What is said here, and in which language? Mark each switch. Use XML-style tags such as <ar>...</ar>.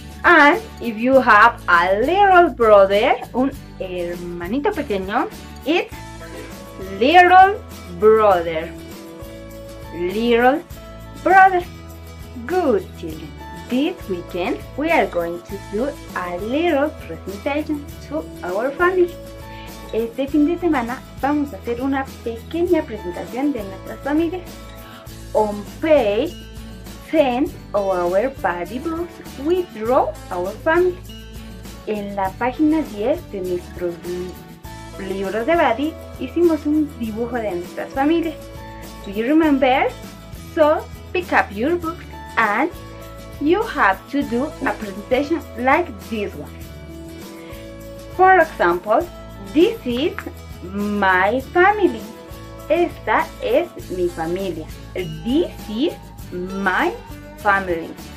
<en>And if you have a little brother,</en> <es>un hermanito pequeño,</es> <en>it's little brother. Little brother. Good children. This weekend we are going to do a little presentation to our family.</en> <es>Este fin de semana vamos a hacer una pequeña presentación de nuestras familias.</es> <en>On page 10 of our body books, we draw our family.</en> <es>En la página 10 de nuestros libros de body, hicimos un dibujo de nuestras familias.</es> <en>Do you remember? So, pick up your book and you have to do a presentation like this one. For example, this is my family.</en> <es>Esta es mi familia.</es> <en>This is my family.</en>